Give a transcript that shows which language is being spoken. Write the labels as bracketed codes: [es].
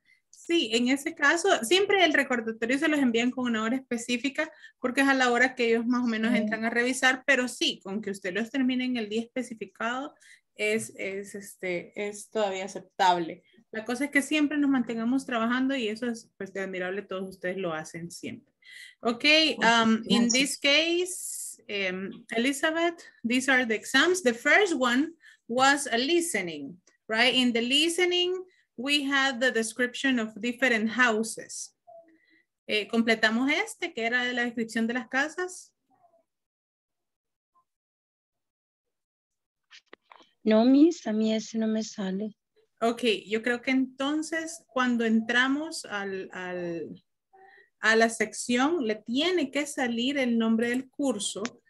[es] Sí, en ese caso, siempre el recordatorio se los envían con una hora específica porque es a la hora que ellos más o menos entran a revisar, pero sí, con que usted los termine en el día especificado es todavía aceptable. La cosa es que siempre nos mantengamos trabajando y eso es pues, de admirable, todos ustedes lo hacen siempre. [en] Ok, in this case, Elizabeth, these are the exams. The first one was a listening, right? In the listening, we had the description of different houses. [es] ¿Completamos este, que era de la descripción de las casas? No, Miss, a mí ese no me sale. Ok, yo creo que entonces cuando entramos a la sección, le tiene que salir el nombre del curso.